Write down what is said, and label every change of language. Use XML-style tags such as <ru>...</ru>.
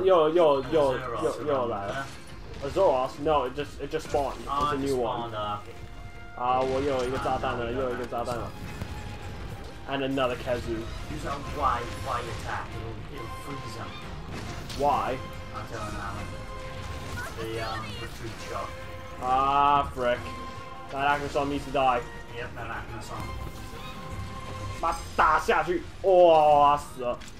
<zh>又来了</zh> <en>，Azoros no, it just spawned, it's a new one.</en> <zh>啊，我又有一个炸弹了，又有一个炸弹了。</zh> <en>And another Kazu. Use a wide attack, it'll freeze him. Why? I don't know. The retreat shot. Ah, frick! That Agnesson needs to die. Yep, that Agnesson.</en> <zh>把打下去，哇，死了。</zh>